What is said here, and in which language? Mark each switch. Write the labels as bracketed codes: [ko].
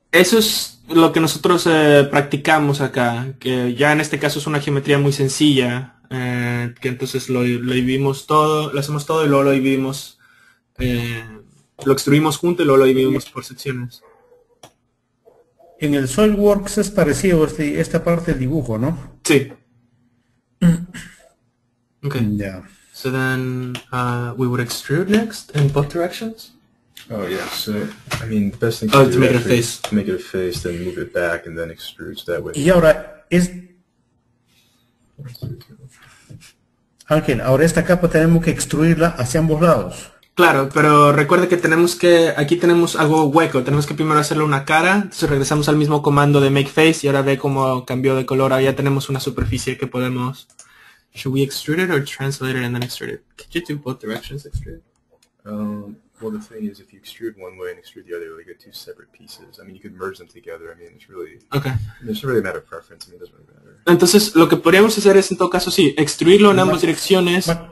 [es] Eso es lo que nosotros practicamos acá, que ya en este caso es una geometría muy sencilla, que entonces lo dividimos todo, lo hacemos todo y luego lo dividimos, lo extruimos junto y luego lo dividimos por secciones. En el SOLIDWORKS es parecido esta parte del dibujo, ¿no? Sí. Ok. Ya. [en] So then we would extrude next in both directions? Oh yeah, so I mean the best thing to do make it a face. Make it a face, then move it back and then extrude so that way. [es] Y ahora es... Okay, ahora esta capa tenemos que extruirla hacia ambos lados. Claro, pero recuerde que aquí tenemos algo hueco, tenemos que primero hacerle una cara, entonces regresamos al mismo comando de make face y ahora ve cómo cambió de color, ahora ya tenemos una superficie que podemos... [en] Should we extrude it or translate it and then extrude it? Could you do both directions extrude? Well, the thing is, if you extrude one way and extrude the other, you'll get two separate pieces. I mean, you could merge them together. I mean, it's really... Okay. It's really a matter of preference. I mean, it doesn't really matter. [es] Entonces, lo que podríamos hacer es, en todo caso, sí, extruirlo en ambas direcciones.